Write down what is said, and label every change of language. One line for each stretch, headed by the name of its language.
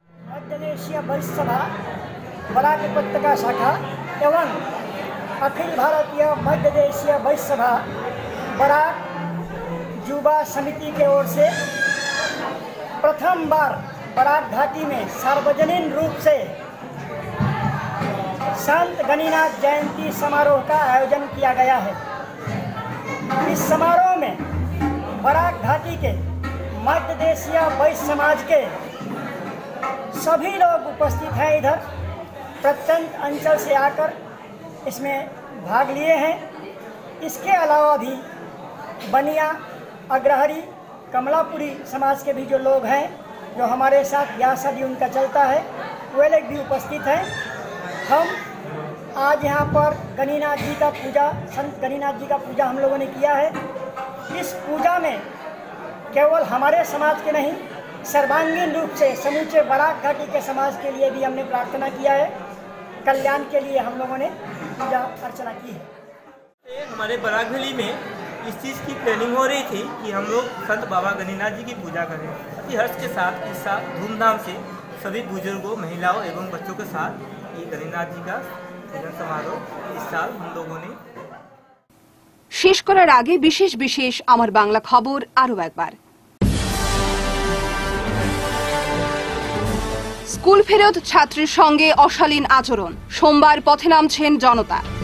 Hindi: মধ্যদেশীয় বৈশ্যসভা বরাক উপত্যকা শাখা এবং অখিল ভারতীয় মধ্যদেশীয় বৈশ্যসভা বরাক যুবা সমিতি কে ওর সে প্রথমবার বরাক ঘাটি মে সার্বজনীন রূপ সে संत गणिनाथ जयंती समारोह का आयोजन किया गया है। इस समारोह में बराक घाटी के मध्यदेशीय वैश्य समाज के सभी लोग उपस्थित हैं। इधर प्रत्यंत अंचल से आकर इसमें भाग लिए हैं। इसके अलावा भी बनिया, अग्रहरी, कमलापुरी समाज के भी जो लोग हैं, जो हमारे साथ ब्याह शादी उनका चलता है, वे लोग भी उपस्थित हैं। हम आज यहाँ पर गणिनाथ जी का पूजा, संत गणिनाथ जी का पूजा हम लोगों ने किया है। इस पूजा में केवल हमारे समाज के नहीं, सर्वांगीण रूप से समूचे बराक घाटी के समाज के लिए भी हमने प्रार्थना किया है, कल्याण के लिए हम लोगों ने पूजा अर्चना की है। हमारे बराक वैली में इस चीज़ की प्लानिंग हो रही थी कि हम लोग संत बाबा गणिनाथ जी की पूजा करें। अति हर्ष के साथ इस साल धूमधाम से सभी बुजुर्गों, महिलाओं एवं बच्चों के साथ ये गणिनाथ जी का
Bangla: শেষ করার আগে বিশেষ বিশেষ আমার বাংলা খবর আরো একবার। স্কুল ফেরত ছাত্রীর সঙ্গে অশালীন আচরণ, সোমবার পথে নামছেন জনতা।